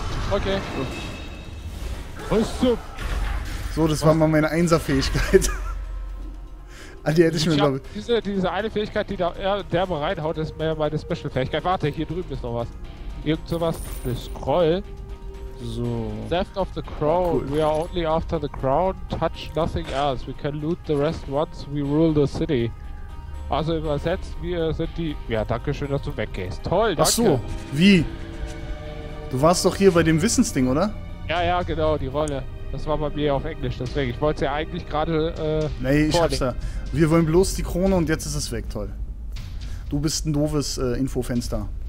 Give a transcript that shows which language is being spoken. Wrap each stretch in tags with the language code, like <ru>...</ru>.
<de>Okay. Rüstung. So, das war mal meine Einser-Fähigkeit. Die hätte ich mir, glaube ich. Diese eine Fähigkeit, die da derbe reinhaut, ist mehr meine Special-Fähigkeit. Warte, hier drüben ist noch was. Irgend sowas. The Scroll. So.</de> <en>Theft of the Crown. Cool. We are only after the Crown. Touch nothing else. We can loot the rest once we rule the city.</en> <de>Also übersetzt, wir sind die. Ja, danke schön, dass du weggehst. Toll, danke. Ach so, wie? Du warst doch hier bei dem Wissensding, oder? Ja, genau, die Rolle. Das war bei mir auf Englisch, deswegen. Ich wollte es ja eigentlich gerade. Nee, ich hab's da. Wir wollen bloß die Krone und jetzt ist es weg, toll. Du bist ein doofes Infofenster.</de>